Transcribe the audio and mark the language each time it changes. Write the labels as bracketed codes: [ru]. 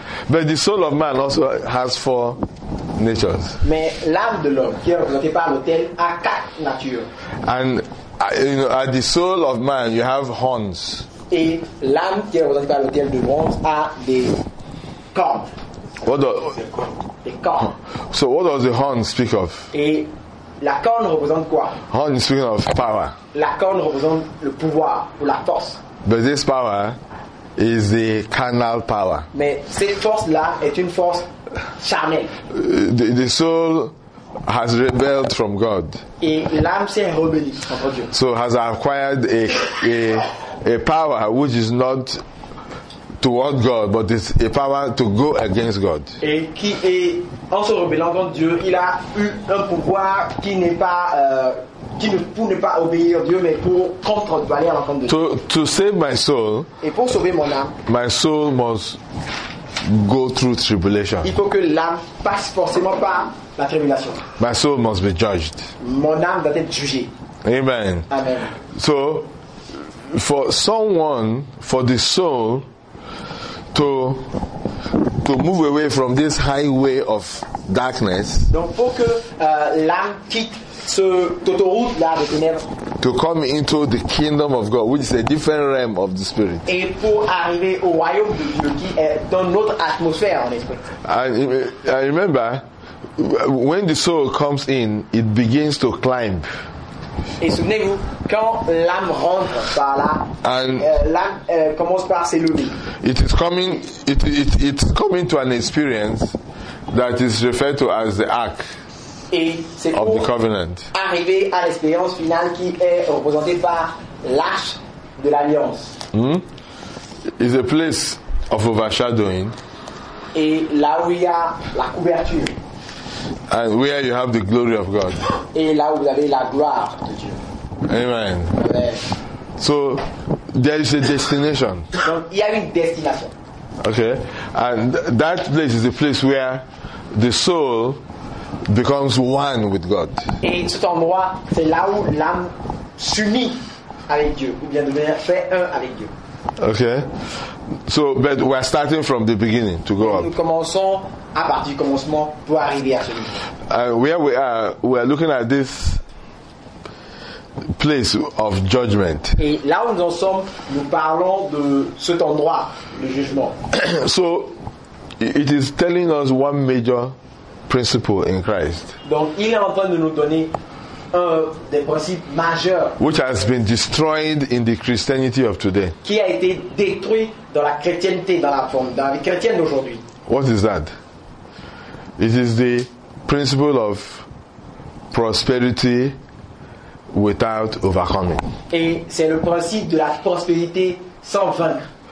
[en] But the soul of man also has 4 natures. [fr] Mais l'âme de l'homme, qui est représentée par l'autel, a 4 natures. [en] And at the soul of man, you have horns. [fr] Et l'âme qui est représentée par l'autel de bronze a des cornes. [en] What does the corn? So what does the horn speak of? [fr] Et la corne représente quoi? [en] Horn is speaking of power. [fr] La corne représente le pouvoir ou la force. [en] But this power is the carnal power. [fr] Mais cette force là est une force charnelle. [en] The soul has rebelled from God. [fr] Et l'âme s'est rebellée contre Dieu. [en] So has acquired a power which is not toward God, but it's a power to go against God. [fr] Et qui est en se rebellant contre Dieu, il a eu un pouvoir qui n'est pas qui ne pour ne pas obéir à Dieu, mais pour contre Dieu, aller à l'encontre de Dieu. [en] To save my soul, [fr] et pour sauver mon âme, [en] my soul must go through tribulation. [fr] Il faut que l'âme passe forcément par la tribulation. [en] My soul must be judged. [fr] Mon âme doit être jugée. [en] Amen. [fr] Amen. [en] So, for someone, for the soul. To move away from this highway of darkness. [fr] Donc pour que l'âme quitte ce autoroute là de ténèbres. [en] To come into the kingdom of God, which is a different realm of the spirit. [fr] Et pour arriver au royaume de Dieu qui est dans notre atmosphère en esprit. [en] I remember when the soul comes in, it begins to climb. [fr] Et souvenez-vous, quand l'âme rentre par là, l'âme commence par s'élever. [en] It's coming to an experience that is referred to as the ark of the covenant. [fr] Et c'est arriver à l'expérience finale qui est représentée par l'arche de l'alliance. [en] Hmm? It's a place of overshadowing. [fr] Et là où il y a la couverture. [en] And where you have the glory of God. [fr] Et là où vous avez la gloire de Dieu. [en] Amen. So there is a destination. [fr] Donc il y a une destination. [en] Okay. And that place is the place where the soul becomes one with God. [fr] Et cet endroit, c'est là où l'âme s'unit avec Dieu, ou bien devient fait un avec Dieu. [en] Okay. So but we are starting from the beginning to go [fr] nous [en] up. [fr] Nous commençons à partir du commencement pour arriver à celui. [en] Where we are, looking at this place of judgment. [fr] Et là où nous en sommes, nous parlons de cet endroit de jugement. [en] So it is telling us one major principle in Christ. [fr] Donc il est en train de nous donner des principes majeurs, [en] which has been destroyed in the Christianity of today. [fr] Qui a été détruit dans la chrétienté, dans la vie chrétienne d'aujourd'hui. [en] What is that? It is the principle of prosperity without overcoming. [fr] Et c'est le principe de la prospérité sans vaincre.